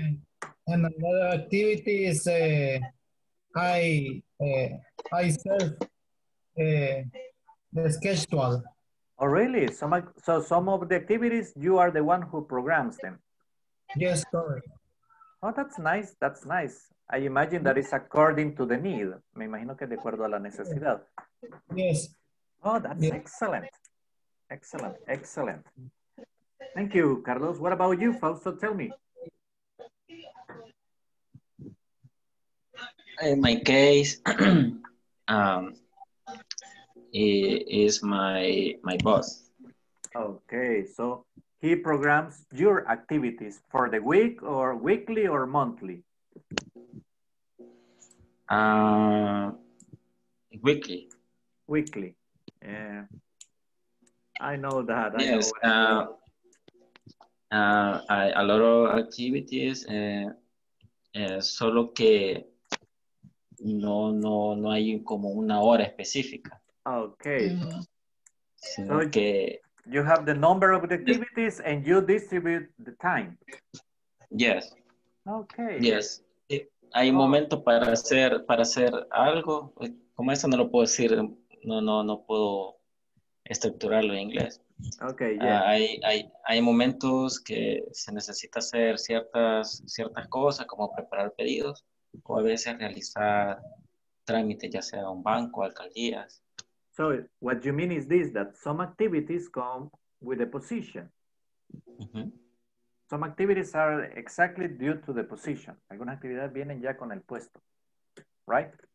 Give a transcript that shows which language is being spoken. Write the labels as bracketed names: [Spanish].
[English] And another activity is I serve the schedule. Oh, really? So some of the activities, you are the one who programs them? Yes, correct. Oh, that's nice. That's nice. I imagine that is according to the need. [Spanish] Me imagino que de acuerdo a la necesidad. [English] Yes. Oh, that's yes. Excellent. Excellent, excellent. Thank you, Carlos. What about you, Fausto? Tell me. In my case, he is my boss. Okay, so he programs your activities for the week or weekly or monthly? Weekly. Weekly. Yeah. I know that. Yes. A lot of activities. [Spanish] Solo que no hay como una hora específica. [English] Okay. [Spanish] Sino que [English] You have the number of the activities and you distribute the time. Yes. Okay. Yes. [Spanish] Hay un momento para hacer algo. Como eso no lo puedo decir, no puedo estructurarlo en inglés. [English] Okay, yeah. [Spanish] Hay momentos que se necesita hacer ciertas cosas, como preparar pedidos, o a veces realizar trámites, ya sea un banco, alcaldías. [English] So, what you mean is this, that some activities come with a position. Mm-hmm. Some activities are exactly due to the position. [Spanish] Algunas actividades vienen ya con el puesto, [English] right?